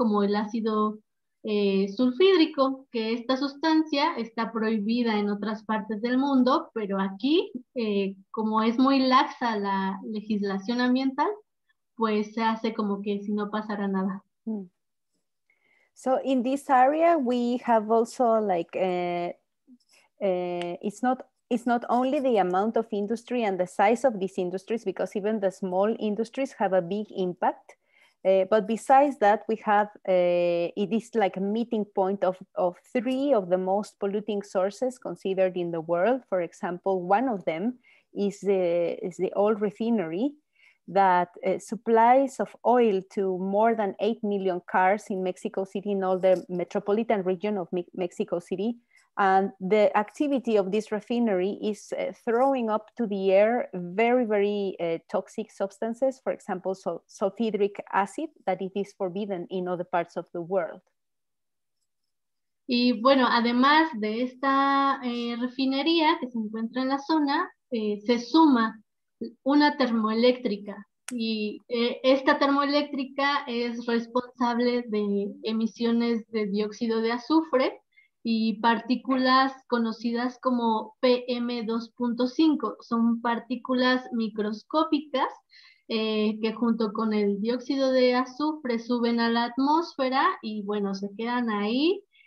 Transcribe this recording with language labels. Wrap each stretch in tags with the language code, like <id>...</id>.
<es>Como el ácido sulfídrico, que esta sustancia está prohibida en otras partes del mundo, pero aquí, como es muy laxa la legislación ambiental, pues se hace como que si no pasara nada.</es> <en>So in this area, we have also like, it's not only the amount of industry and the size of these industries, because even the small industries have a big impact. But besides that, we have, it is like a meeting point of three of the most polluting sources considered in the world. For example, one of them is the old refinery that supplies of oil to more than 8 million cars in Mexico City, in all the metropolitan region of Mexico City. And the activity of this refinery is throwing up to the air very, very toxic substances, for example, sulfuric acid, that it is forbidden in other parts of the world.</en> <es>Y bueno, además de esta refinería que se encuentra en la zona, se suma una termoeléctrica. Y esta termoeléctrica es responsable de emisiones de dióxido de azufre y partículas conocidas como PM2.5, son partículas microscópicas que junto con el dióxido de azufre suben a la atmósfera y bueno, se quedan ahí.</es>